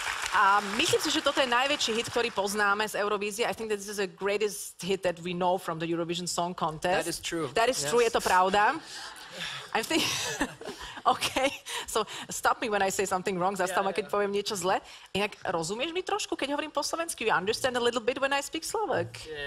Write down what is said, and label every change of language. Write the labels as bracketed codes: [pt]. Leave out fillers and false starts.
[sk] A myslím si, že toto je najväčší hit, ktorý poznáme z Eurovízie. [en] I think that this is the greatest hit that we know from the Eurovision Song Contest. That is true. That is true, yes. [sk] Je to pravda. [en] I think... okay, so stop me when I say something wrong, [sk] zastav ma, keď poviem niečo zle. Inak rozumieš mi trošku, keď hovorím po slovensky? [en] You understand a little bit when I speak Slovak?